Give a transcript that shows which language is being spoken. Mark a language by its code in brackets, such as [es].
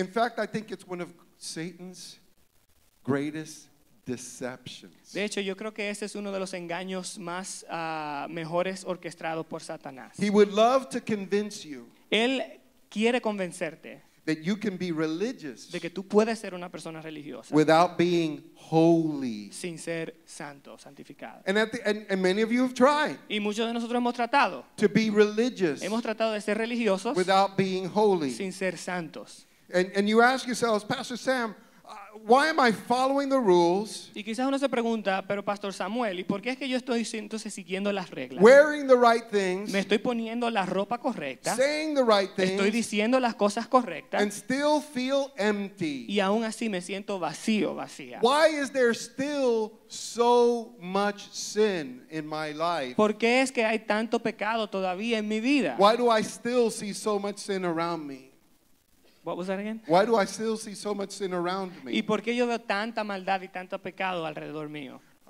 [en] In fact, I think it's one of Satan's greatest deceptions. [es] De hecho, yo creo que ese es uno de los engaños más mejores orquestados por Satanás. [en] He would love to convince you. [es] Él quiere convencerte. [en] That you can be religious. [es] De que tú puedes ser una persona religiosa. [en] Without being holy. [es] Sin ser santo, santificado. [en] And many of you have tried. [es] Y muchos de nosotros hemos tratado. [en] To be religious. [es] Hemos tratado de ser religiosos. [en] Without being holy. [es] Sin ser santos. [en] And you ask yourselves, Pastor Sam, why am I following the rules? [es] Y quizás uno se pregunta, pero Pastor Samuel, ¿y por qué es que yo estoy entonces siguiendo las reglas? [en] Wearing the right things. [es] Me estoy poniendo la ropa correcta. [en] Saying the right things. [es] Estoy diciendo las cosas correctas. [en] And still feel empty. [es] Y aún así me siento vacío, vacía. [en] Why is there still so much sin in my life? [es] ¿Por qué es que hay tanto pecado todavía en mi vida? [en] Why do I still see so much sin around me? What was that again? Why do I still see so much sin around me? [es] ¿Y por qué yo veo tanta maldad y tanto pecado alrededor mío?